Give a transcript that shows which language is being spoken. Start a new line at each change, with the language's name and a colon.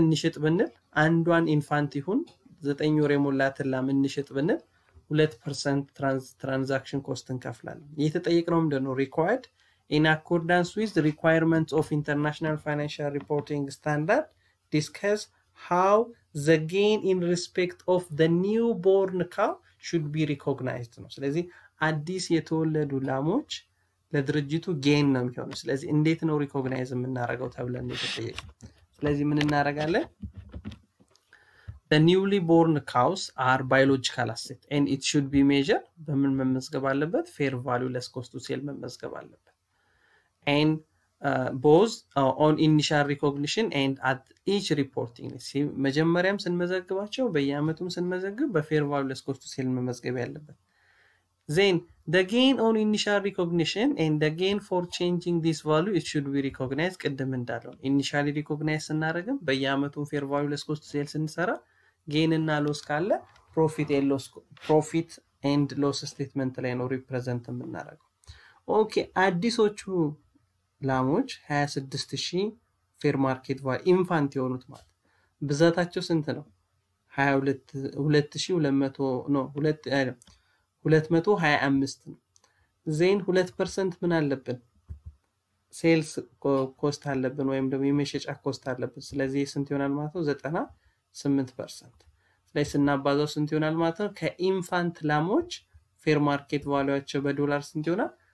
Amharic: እንሽጥ ብንል አንዷን ኢንፋንት ይሁን 9 ወር የሞላትን ላም እንሽጥ ብንል 2% ትራንዛክሽን ኮስት እንከፍላለን። የተጠየቅነው እንደነው
English: required in accordance with the requirements of international financial reporting standard discuss how the gain in respect of the newborn cow
Amharic: should be recognized ነው። ስለዚህ አዲስ የተወለዱ ላሞች ለድርጅቱ ጌን ነው የሚሆነው። ስለዚህ እንዴት ነው recognize የምናረጋው ተብለን እየተጠየቀ። ስለዚህ ምን እናረጋለን?
English: The newly born cows are biological asset and it should be measured
Amharic: በምን መመዝገብ አለበት?
English: fair value less cost to sale
Amharic: መመዝገብ አለበት።
English: and both on initial recognition and at each reporting.
Amharic: ሲም መጀመሪያም ስንመዘግባቸው በየአመቱም ስንመዘግብ በfair value less cost to sale መመዝገብ ያለበት።
English: then the gain on initial recognition and the gain for changing this value it should be recognized
Amharic: ቀደም እንዳለው
English: initially recognize
Amharic: እናደርግም በየአመቱም
English: fair value less cost to sale
Amharic: ስንሰራ gain እና loss ካለ profit and loss statement ላይ ነው represent የምናደርገው። okay አዲሶቹ ላሞች 26000 fair market value infant የሆኑት ማለት ብዛታቸው ስንት ነው? 22 2200 ነው 2 አይደለም 225 ነው። ዘይን 2% ምን አለብን? ሴልስ ኮስት አለብን ወይም ደግሞ የመሸጫ ኮስት አለብን። ስለዚህ ስንት ይሆናል ማለት ነው? 98%። ስለዚህ እናባዛው ስንት ይሆናል ማለት ነው? ከኢንፋንት ላሞች ፌር ማርኬት ቫልዩአቸው በዶላር ስንት ይሆናል?